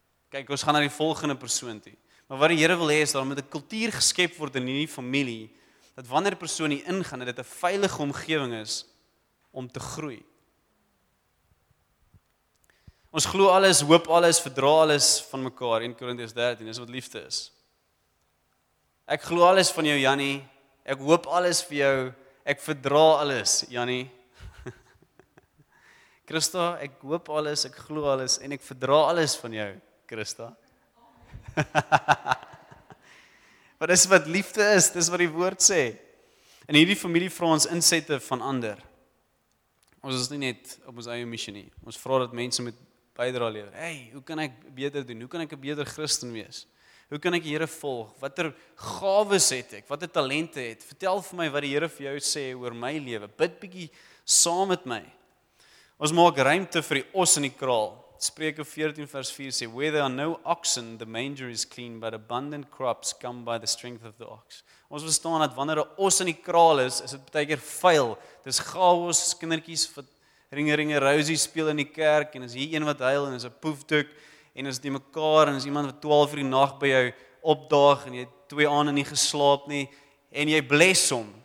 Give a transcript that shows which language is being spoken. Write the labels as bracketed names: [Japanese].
[Afrikaans] Kyk, ons gaan na die volgende persoon toe. Maar wat die Here wil hê, is dat met 'n kultuur geskep word in die familie, dat wanneer persoon hier ingaan, dat dit 'n veilige omgewing is om te groei. Ons glo alles, hoop alles, verdra alles van mekaar, 1 Korintiërs 13, dis wat liefde is. Ek glo alles van jou, Jannie, ek hoop alles vir jou, ek verdra alles, Jannie. Christa, ek hoop alles, ek glo alles, en ek verdra alles van jou, Christa. Maar dis wat liefde is, dis wat die woord sê. En hierdie familie vra ons insette van ander. Ons is nie net op ons eie missie nie. Ons vra dat mense met bydra lewer. Hey, hoe kan ek beter doen? Hoe kan ek 'n beter Christen wees? Hoe kan ek die Here volg? Watter gawes het ek? Watter talente het? Vertel vir my wat die Here vir jou sê oor my lewe. Bid bietjie saam met my. Ons maak ruimte vir die os in die kraal. Spreuke 14 vers 4 sê, [English] where there are no oxen, the manger is clean, but abundant crops come by the strength of the ox. [Afrikaans] Ons verstaan dat wanneer 'n os in die kraal is, is dit baie keer vuil. Dis chaos, kindertjies wat ringeringe rousie speel in die kerk, en is hier een wat huil, en is 'n poefdoek, en is die mekaar, en is iemand wat 12 uur die nag by jou opdaag, en jy het 2 aande nie geslaap nie, en jy bless hom.